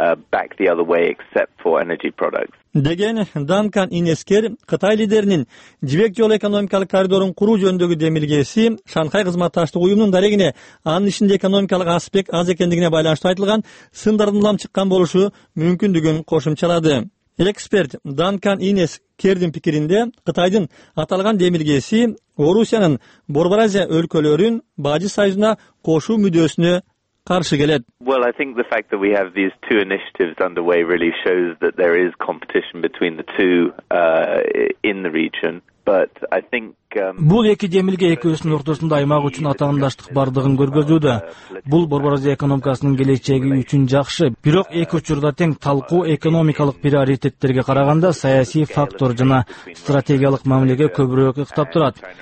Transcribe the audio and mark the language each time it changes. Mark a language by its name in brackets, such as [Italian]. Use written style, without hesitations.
[English] Back the other way except for energy products. [Kyrgyz] Деген Данкан Инескер Кытай лидеринин жибек жол экономикалык коридорун куруу жөнүндөгү демилгеси Шанхай кызматташтык уюмунун дарегине анын ичинде экономикалык аспект аз экендигине байланыштуу айтылган сындардын улам чыккан болушу мүмкүндүгүн кошумчалады. Эксперт Данкан Инескердин пикиринде Кытайдын аталган демилгеси Орусиянын Борбор Азия өлкөлөрүн бажы союзуна кошуу мүдөөсүнө каршы келет. [English] Well, I think the fact that we have these two initiatives underway really shows that there is competition between the two in the region. But I think [Kyrgyz] бул эки демилге экөөсүнүн ортосунда аймак үчүн атаандаштык бардыгын көргөзүүдө. Бул Борбор Азия экономикасынын келечеги үчүн жакшы, бирок эки учурда тең талкуу экономикалык приоритеттерге караганда саясий фактор жана стратегиялык мамилеге көбүрөөк ыктап турат.